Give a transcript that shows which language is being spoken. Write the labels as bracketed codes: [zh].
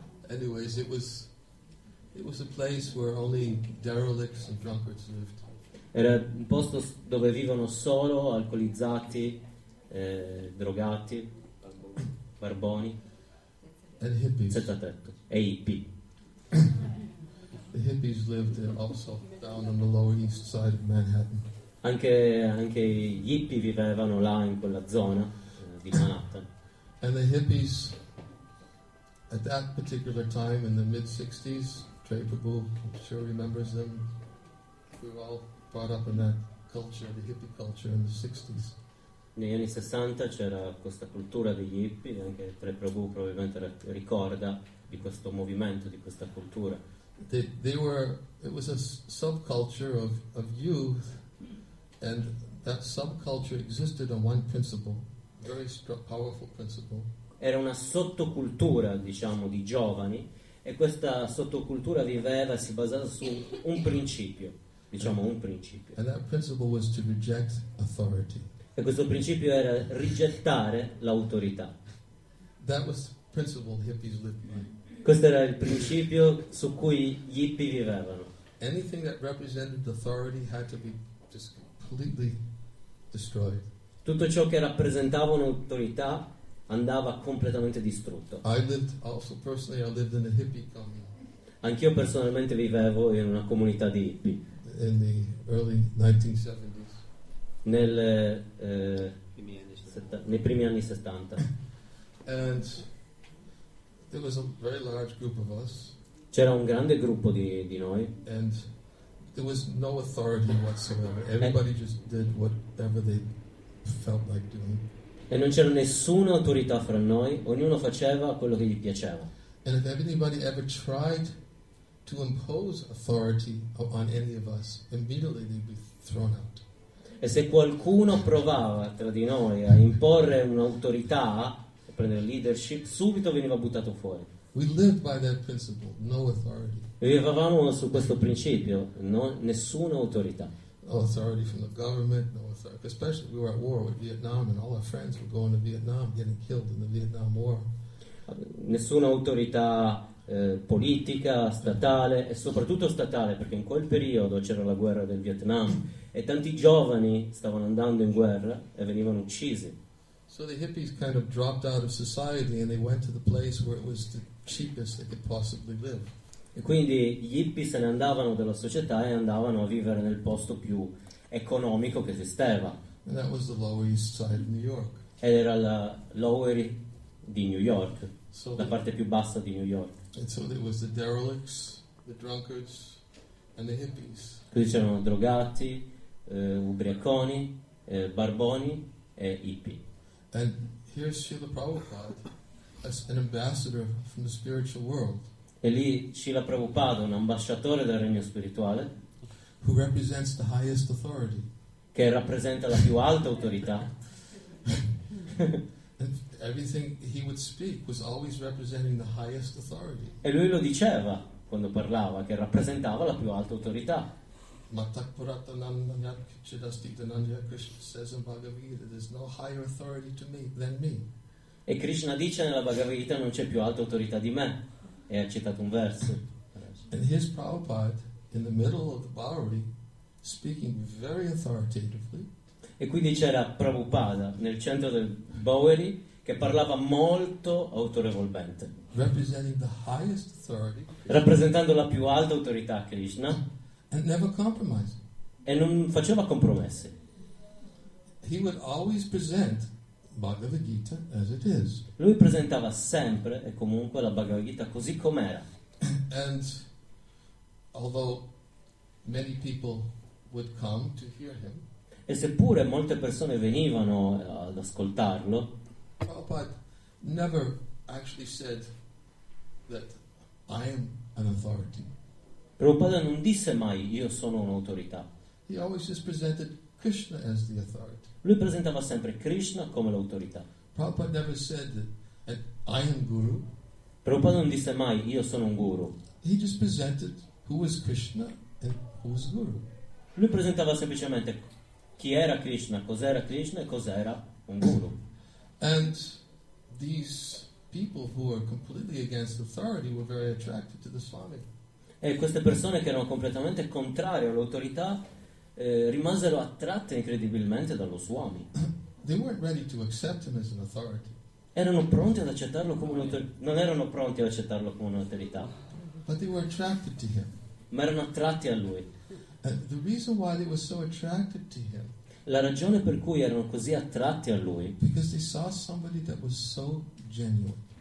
[en] Anyways, it was a place where only derelicts and drunkards lived. [it] Era un posto dove vivono solo alcolizzati, drogati, barboni, [en] and hippies. [it] Senza tetto. E hippie. [en] The hippies lived also down on the Lower East Side of Manhattan. [it] Anche gli hippie vivevano là in quella zona di Manhattan. [en] And the hippies at that particular time in the mid 60s. Trey Prabhu, I'm sure, remembers them. We were all brought up in that culture, the hippie culture in the 60s. [it] Negli anni 60 c'era questa cultura degli hippie, anche Trey Prabhu probabilmente ricorda di questo movimento, di questa cultura. [en] It was a subculture of youth, and that subculture existed on one principle, very powerful principle. [it] Era una sottocultura, diciamo, di giovani. E questa sottocultura viveva, si basava su un principio, diciamo un principio. [en] And that principle was to reject authority. [it] E questo principio era rigettare l'autorità. [en] That was the principle hippies lived by. [it] Questo era il principio su cui gli hippie vivevano. [en] Anything that represented authority had to be just completely destroyed. [it] Tutto ciò che rappresentava un'autorità andava completamente distrutto. [en] I lived also personally, I lived in a hippie commune. [it] Anch'io personalmente vivevo in una comunità di hippie. [en] In the early 1970s. [it] Nei primi anni 70. [en] And there was a very large group of us. [it] C'era un grande gruppo di noi. [en] And there was no authority whatsoever. Everybody just did whatever they felt like doing. [it] E non c'era nessuna autorità fra noi, ognuno faceva quello che gli piaceva. [en] And if anybody ever tried to impose authority on any of us, immediately they'd be thrown out. [it] E se qualcuno provava tra di noi a imporre un'autorità, a prendere leadership, subito veniva buttato fuori. [en] We lived by that principle, no authority. [it] Vivevamo su questo principio, no, nessuna autorità. [en] No authority from the government, no authority. Especially we were at war with Vietnam and all our friends were going to Vietnam, getting killed in the Vietnam War. [it] Nessuna autorità politica, statale e soprattutto statale, perché in quel periodo c'era la guerra del Vietnam e tanti giovani stavano andando in guerra e venivano uccisi. [en] So the hippies kind of dropped out of society and they went to the place where it was the cheapest they could possibly live. [it] E quindi gli hippie se ne andavano dalla società e andavano a vivere nel posto più economico che esisteva. [en] And that was the Lower East Side of New York. [it] Ed era la Lower East di New York, so la parte più bassa di New York. [en] And so there was the derelicts, the drunkards, and the hippies. [it] Quindi c'erano drogati, ubriaconi, barboni e hippie. [en] And here's Srila Prabhupada, as an ambassador from the spiritual world. [it] E lì Srila Prabhupada, un ambasciatore del regno spirituale, [en] who represents the highest authority. [it] Che rappresenta la più alta autorità. [en] Everything he would speak was always representing the highest authority. [it] E lui lo diceva quando parlava che rappresentava la più alta autorità. [sa] Matakpurata nandanyakchidastitananya, [en] Krishna says in Bhagavad Gita, there's no higher authority to me than me. [it] E Krishna dice nella Bhagavad Gita non c'è più alta autorità di me. E ha citato un verso. [en] And his Prabhupada in the middle of the Bowery speaking very authoritatively. [it] E quindi c'era Prabhupada nel centro del Bowery che parlava molto autorevolmente, [en] representing the highest authority, [it] rappresentando la più alta autorità Krishna, [en] and never compromised. [it] E non faceva compromessi. [en] He would always present Bhagavad Gita as it is. [it] Lui presentava sempre e comunque la Bhagavad Gita così com'era. [en] And although many people would come to hear him, [it] e seppure molte persone venivano ad ascoltarlo, [en] Prabhupada never actually said that I am an authority. [it] Prabhupada non disse mai io sono un'autorità. [en] He always just presented Krishna as the authority. [it] Lui presentava sempre Krishna come l'autorità. [en] Prabhupada never said that I am guru. [it] Prabhupada non disse mai io sono un guru. [en] He just presented who was Krishna and who was guru. [it] Lui presentava semplicemente chi era Krishna, cos'era Krishna e cos'era un guru. [en] And these people who were completely against authority were very attracted to the Swami. [it] E queste persone che erano completamente contrarie all'autorità rimasero attratte incredibilmente dallo Swami. [en] They weren't ready to accept him as an authority. [it] Erano pronti ad accettarlo come un'autorità. Non erano pronti ad accettarlo come un'autorità. [en] But they were attracted to him. [it] Ma erano attratti a lui. [en] And the reason why they were so attracted to him. [it] La ragione per cui erano così attratti a lui, [en] because they saw somebody that was so genuine.